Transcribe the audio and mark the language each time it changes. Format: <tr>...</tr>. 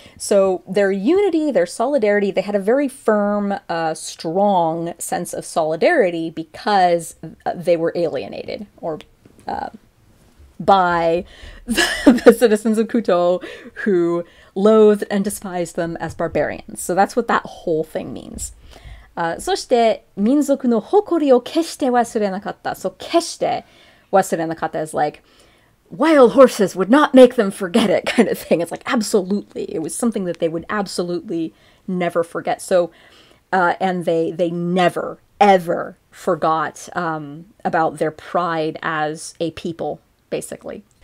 <en>So their unity, their solidarity, they had a very firm, strong sense of solidarity because they were alienated or by the citizens of Kuto who loathed and despised them as barbarians. So that's what that whole thing means.</en> <ja>そして, 民族の誇りを決して忘れなかった.</ja> <en>So 決して, wasurenakata is like, wild horses would not make them forget it, kind of thing. It's like, absolutely. It was something that they would absolutely never forget. So, and they never, ever forgot about their pride as a people, basically.</en>